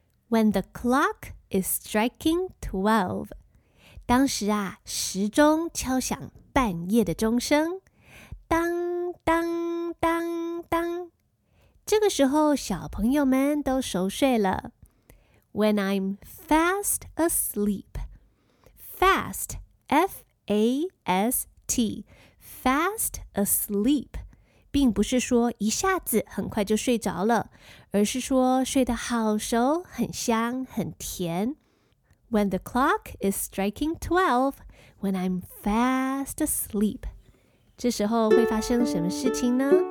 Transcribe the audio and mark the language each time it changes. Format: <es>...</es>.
<en>When the clock is striking 12，</en> <zh>当时啊时钟敲响半夜的钟声，当当当当，这个时候小朋友们都熟睡了。</zh> <en>When I'm fast asleep, fast,</en> <zh>F-A-S-T, fast asleep, 并不是说一下子很快就睡着了，而是说睡得好熟，很香，很甜。</zh> <en>When the clock is striking 12, when I'm fast asleep,</en> <zh>这时候会发生什么事情呢？</zh>